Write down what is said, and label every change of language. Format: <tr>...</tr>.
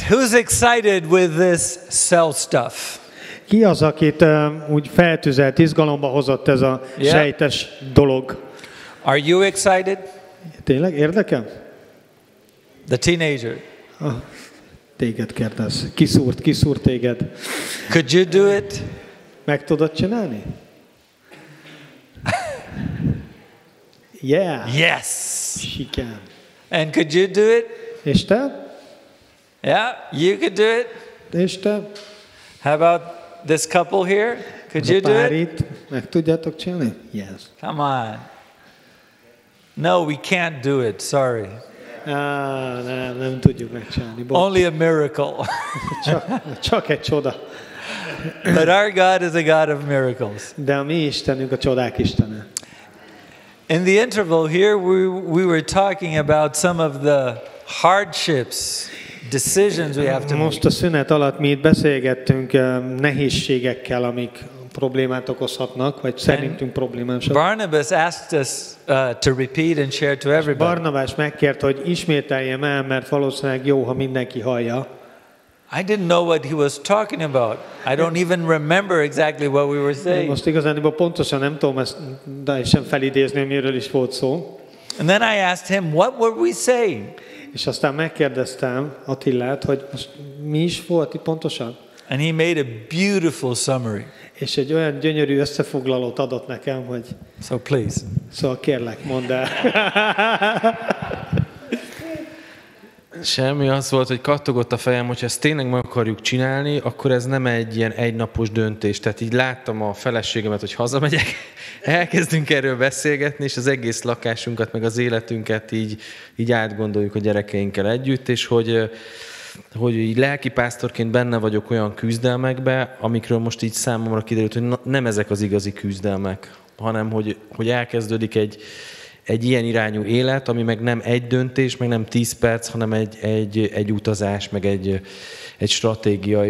<en>Who's excited with this cell stuff?</en> <hu>Ki az, akit úgy feltüzelt, izgalomba hozott ez a sejtes dolog?</hu> <en>Are you excited?</en> <hu>Tényleg érdekel?</hu> <en>The teenager.</en> <hu>Téged kérdez. Kiszúrt téged.</hu> <en>Could you do it?</en> <hu>Meg tudod csinálni?</hu> <en>Yeah. Yes. She can. And could you do it?</en> <hu>És te?</hu> <en>Yeah, you could do it.</en> <hu>És te?</hu> <en>How about this couple here? Could you do it?</en> <hu>Meg tudjátok csinálni? Yes.</hu> <en>Come on. No, we can't do it. Sorry.</en> <hu>Nem tudjuk megcsinálni.</hu> <en>Only a miracle.</en> <hu>Csak egy csoda.</hu> <en>But our God is a God of miracles.</en> <hu>De a mi Istenünk a csodák Istene.</hu> <en>In the interval here, we were talking about some of the hardships, decisions we have to make.</en> <hu>Most a szünet alatt mi itt beszélgettünk nehézségekkel, amik problémát okozhatnak, vagy szerintünk problémásak.</hu> <en>Barnabas asked us to repeat and share to everybody.</en> <hu>Barnabás megkért, hogy ismételjem el, mert valószínűleg jó, ha mindenki hallja.</hu> <en>I didn't know what he was talking about. I don't even remember exactly what we were saying.</en> <hu>Most igazániból pontosan nem tudom ezt, de is sem felidézni, miről is volt szó.</hu> <en>And then I asked him, what were we saying?</en> <hu>És aztán megkérdeztem Attilát, hogy most mi is volt itt pontosan.</hu> <en>And he made a beautiful summary.</en> <hu>És egy olyan gyönyörű összefoglalót adott nekem, hogy</hu> <en>so please.</en> <hu>Szóval kérlek, mondd el. Semmi, az volt, hogy kattogott a fejem, hogy ezt tényleg meg akarjuk csinálni, akkor ez nem egy ilyen egynapos döntés. Tehát így láttam a feleségemet, hogy hazamegyek, elkezdünk erről beszélgetni, és az egész lakásunkat, meg az életünket így átgondoljuk a gyerekeinkkel együtt, és hogy így lelkipásztorként benne vagyok olyan küzdelmekbe, amikről most így számomra kiderült, hogy nem ezek az igazi küzdelmek, hanem hogy elkezdődik egy ilyen irányú élet, ami meg nem egy döntés, meg nem 10 perc, hanem egy utazás, meg egy stratégia.</hu>